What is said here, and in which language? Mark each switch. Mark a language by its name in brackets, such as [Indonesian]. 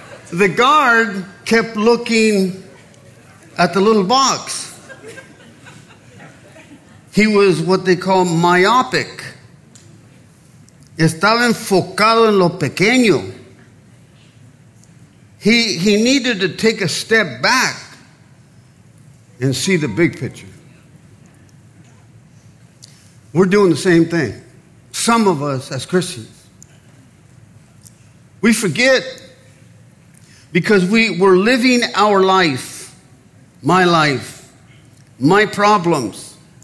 [English] The guard kept looking at the little box. He was what they call myopic. [Spanish] Estaba enfocado en lo pequeño. [English] He needed to take a step back and see the big picture. We're doing the same thing. Some of us as Christians. We forget because we're living our life, my problems.